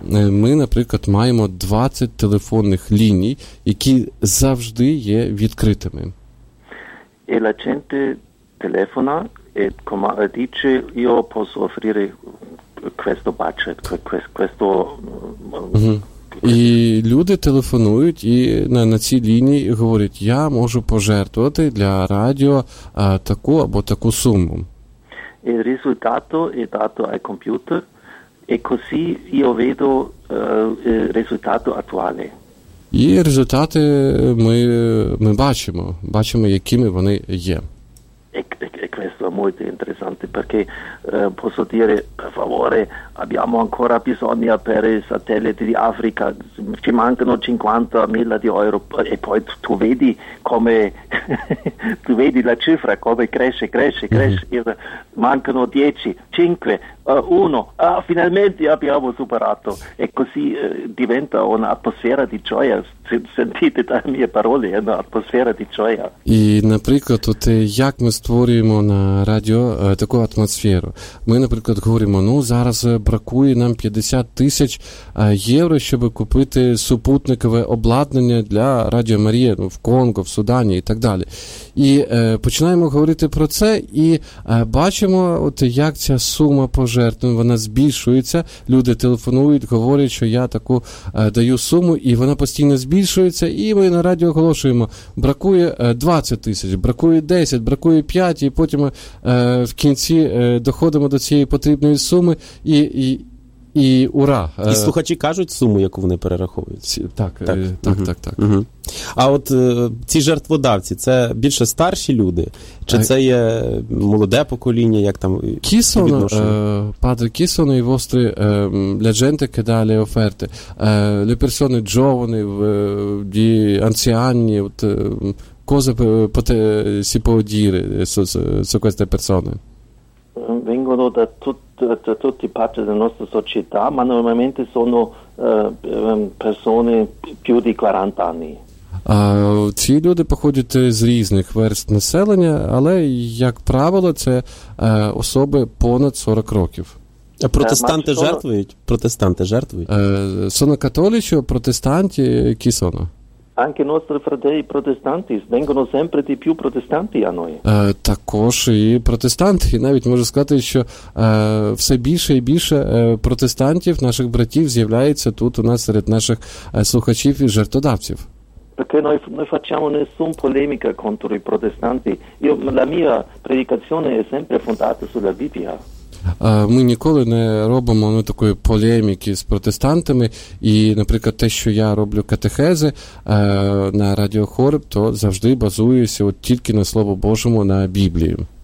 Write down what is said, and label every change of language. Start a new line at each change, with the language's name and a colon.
Ukrainian: Ми, наприклад, маємо 20 телефонних ліній, які завжди є відкритими.
Italian: E la gente telefona e come dice io posso offrire questo budget, questo
Ukrainian: І люди телефонують і на цій лінії говорять: "Я можу пожертвувати для радіо таку або таку суму".
Italian: Il risultato è dato al computer e così io vedo il risultato attuale.
Ukrainian: І результати ми бачимо, якими вони є.
Italian: E questo è molto interessante perché posso dire, per favore, abbiamo ancora bisogno per i satelliti di Africa, ci mancano 50.000 di euro e poi tu vedi come, tu vedi la cifra, come cresce, mancano 10, 5, 1, finalmente abbiamo superato e così diventa un'atmosfera di gioia. Sentite dalle mie parole, è un'atmosfera di gioia.
Ukrainian: E, наприклад, от як ми створюємо на радіо таку атмосферу? Ми, наприклад, говоримо, зараз бракує нам 50 тисяч євро, щоб купити супутникове обладнання для Радіо Марія в Конго, в Судані і так далі. І починаємо говорити про це, і бачимо, от як ця сума пожертвувань, вона збільшується, люди телефонують, говорять, що я таку даю суму, і вона постійно збільшується, і ми на радіо оголошуємо, бракує 20 тисяч, бракує 10, бракує 5, і потім в кінці доходимо до цієї потрібної суми, і ура. І слухачі кажуть суму, яку вони перераховують. Так. Угу. А от ці жертводавці, це більше старші люди? Чи це є молоде покоління, як там відношення?
Italian: Padre, chi sono i vostri, la gente che dà le offerte? Le persone giovani, gli anziani, cosa si può dire su queste persone? Vengono da tutte parti della nostra società, ma normalmente sono persone più di 40 anni.
Ukrainian: Ці люди походять з різних верст населення, але, як правило, це особи понад 40 років. А протестанти жертвують? Протестанти жертвують?
Italian: Sono cattolici o protestanti? Chi sono? Anche i nostri fratelli protestanti vengono sempre di più protestanti a noi.
Ukrainian: Також і протестанти, і навіть можу сказати, що все більше і більше протестантів, наших братів, з'являється тут у нас серед наших слухачів і жертводавців.
Italian: Perché noi facciamo nessun polemica contro i protestanti. Io, la mia predicazione è sempre fondata sulla Bibbia.
Ukrainian: Ми ніколи не робимо такої полеміки з протестантами, і, наприклад, те, що я роблю катехези на радіо хор, то завжди базуюся тільки на Слово Божому, на Біблії.